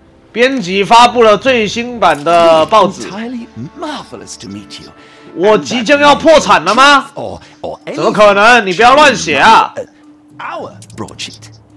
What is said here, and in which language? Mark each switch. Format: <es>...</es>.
<zh>编辑发布了最新版的报纸。</zh> <en>Entirely marvelous to meet you.</en> <zh>我即将要破产了吗？怎么可能？你不要乱写啊 ！</zh> <en>Our broadsheet.</en>